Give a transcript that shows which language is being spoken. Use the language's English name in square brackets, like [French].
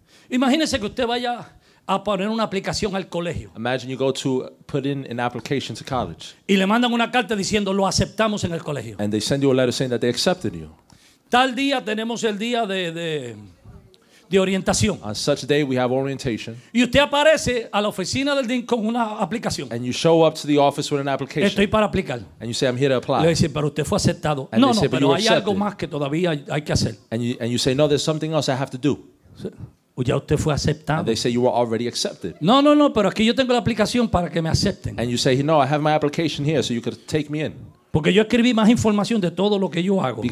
[Spanish] Imagínese que usted vaya a poner una aplicación al colegio. [English] Imagine you go to put in an application to college. [Spanish] Y le mandan una carta diciendo lo aceptamos en el colegio. [English] And they send you a letter saying that they accepted you. [Spanish] Tal día tenemos el día de orientación. [English] On such day we have orientation. [Spanish] Y usted aparece a la oficina del DIN con una aplicación. [English] And you show up to the office with an application. [Spanish] Estoy para aplicar. [English] And you say I'm here to apply. [Spanish] Le dicen, pero usted fue aceptado. [English] And [Spanish] no, no, [English] say, [Spanish] pero hay algo más que todavía hay que hacer. [English] And you say no, there's something else I have to do. [Spanish] Ya usted fue aceptado. [English] And they say you were already accepted. [Spanish] No, no, no, pero aquí yo tengo la aplicación para que me acepten. [English] And you say, no, I have my application here so you could take me in. [Spanish] Porque yo escribí más información de todo lo que yo hago.